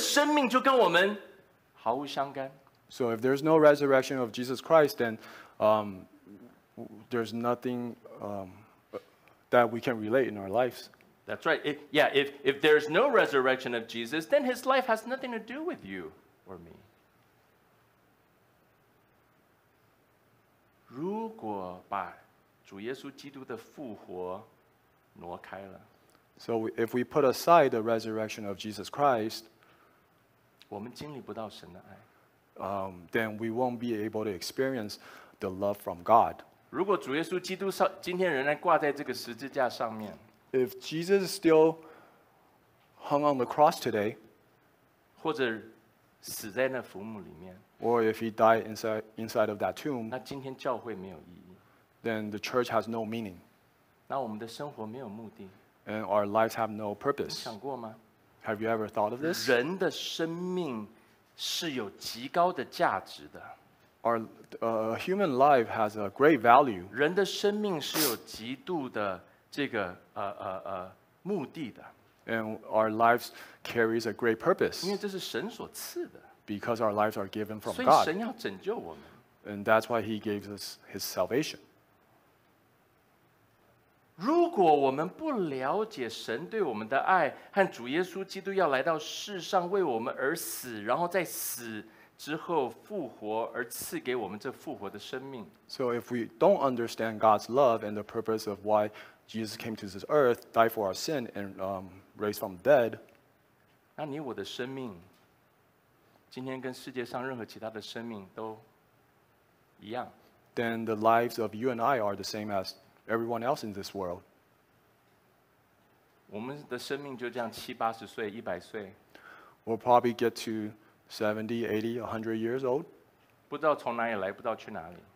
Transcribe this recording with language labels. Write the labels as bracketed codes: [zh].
[zh] 如果没有耶稣基督的复活，耶稣的生命就跟我们毫无相干。So [en] if there's no resurrection of Jesus Christ, then there's nothing that we can relate in our lives. That's right. If there's no resurrection of Jesus, then his life has nothing to do with you or me. [zh] 果把主耶稣基督的复活挪开了 [en] So if we put aside the resurrection of Jesus Christ [zh] 我们经历不到神的爱 [en] Then we won't be able to experience the love from God [zh] 如果主耶稣基督今天仍然挂在这个十字架上面 [en] If Jesus is still hung on the cross today [zh] 或者死在那坟墓里面 [en] Or if he died inside of that tomb [zh] 那今天教会没有意义 [en] Then the church has no meaning. [zh] 那我们的生活没有目的。 [en] And our lives have no purpose. [zh] 你想过吗？ [en] Have you ever thought of this? [zh] 人的生命是有极高的价值的。 [en] Our human life has a great value. [zh] 人的生命是有极度的这个目的的。 [en] And our lives carries a great purpose. [zh] 因为这是神所赐的。 [en] Because our lives are given from God. [zh] 所以神要拯救我们。 [en] And that's why He gave us His salvation. [zh] 如果我们不了解神对我们的爱和主耶稣基督要来到世上为我们而死然后在死之后复活而赐给我们这复活的生命 [en] So if we don't understand God's love and the purpose of why Jesus came to this earth died for our sin and raised from dead [zh] 那你我的生命今天跟世界上任何其他的生命都一样 [en] Then the lives of you and I are the same asEveryone else in this world. [zh] 我们的生命就这样七八十岁一百岁 [en] We'll probably get to 70, 80, 100 years old. [zh] 不知道从哪里来不知道去哪里